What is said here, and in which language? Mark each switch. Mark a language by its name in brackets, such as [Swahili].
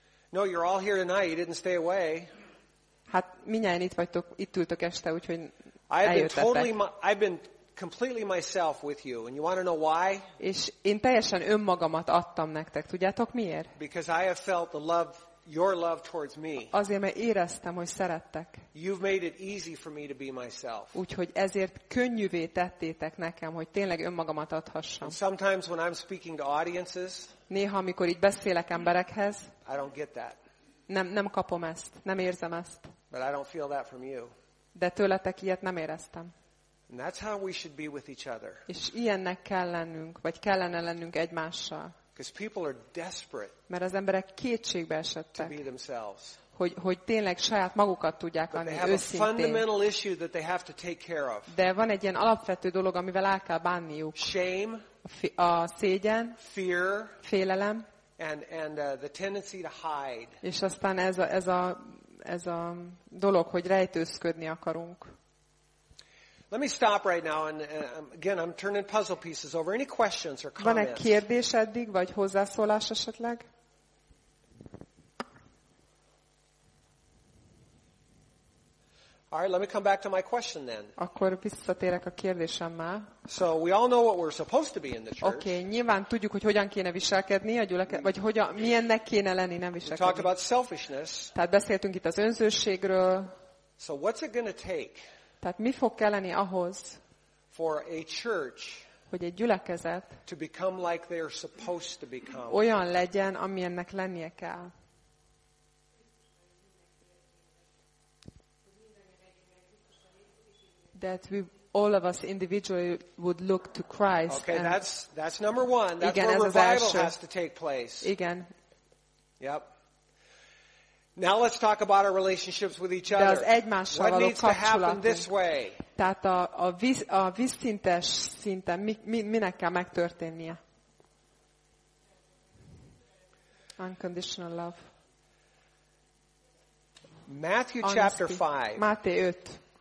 [English] No, you're all here tonight. You didn't stay away. [Hungarian] Hát minnyáján itt vagytok, itt ültök este, úgyhogy [English] I've been completely myself with you, and you want to know why? [Hungarian] És én teljesen önmagamat adtam nektek, tudjátok miért? [English] Because I have felt the love, your love towards me. [Hungarian] Azért, mert éreztem, hogy szerettek. [English] You've made it easy for me to be myself. [Hungarian] Úgyhogy ezért könnyűvé tettétek nekem, hogy tényleg önmagamat adhassam. [English] And sometimes when I'm speaking to audiences, [Hungarian] néha, amikor így beszélek emberekhez, [English] I don't get that. [Hungarian] Nem kapom ezt, nem érzem ezt. [English] But I don't feel that from you. [Hungarian] De tőletek ilyet nem éreztem. [English] And that's how we should be with each other. [Hungarian] És ilyennek kell lennünk, vagy kellene lennünk egymással. [English] Because people are desperate. [Hungarian] Mert az emberek kétségbe esettek. [English] To be themselves. [Hungarian] Hogy tényleg saját magukat tudják lenni őszintén. [English] But they have a fundamental issue that they have to take care of. [Hungarian] De van egy ilyen alapvető dolog, amivel el kell bánniuk. [English] Shame. [Hungarian] A szégyen. [English] Fear. [Hungarian] Félelem. [English] And the tendency to hide. [Hungarian] És aztán ez a dolog, hogy rejtőzködni akarunk. [English] Let me stop right now and again I'm turning puzzle pieces over. Any questions or comments? [Hungarian] Van-e kérdés eddig, vagy hozzászólás esetleg? [English] All right, let me come back to my question then. [Hungarian] Akkor visszatérek a kérdésemmel. [English] So we all know what we're supposed to be in the church. [Hungarian] Okay, nyilván tudjuk, hogy hogyan kéne viselkedni a gyülekezetben, vagy hogyan milyennek kéne lenni, nem viselkedni. [English] We talked about selfishness. [Hungarian] Tehát beszéltünk itt az önzőségről. [English] So what's it going to take? [Hungarian] Tehát mi fog kelleni ahhoz, [English] for a church, [Hungarian] hogy egy gyülekezet [English] to become like they are supposed to become. [Hungarian] Olyan legyen, amilyennek lennie kell. [English] That we all of us individually would look to Christ. Okay, and that's number one. That's [Hungarian] igen, [English] where revival has to take place. [Hungarian] Igen. [English] Yep. Now let's talk about our relationships with each other. [Hungarian] De az egymással való kapcsolatunk. [English] What needs to happen this way? [Hungarian] Tehát a vízszintes szinten minek kell megtörténnie? [English] Unconditional love. Matthew chapter 5. [Hungarian] Máté 5.